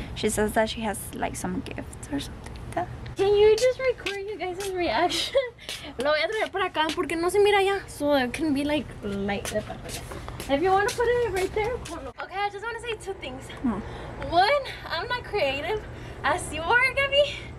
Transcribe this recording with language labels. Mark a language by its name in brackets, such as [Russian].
[English] She says that she has like some gifts or something like that. Can you just record you guys' reaction? [Spanish] Lo voy a traer para acá porque no se mira ya. [English] So it can be like light. If you want to put it right there. Okay, I just want to say two things. One, I'm not creative as you are, Gabby.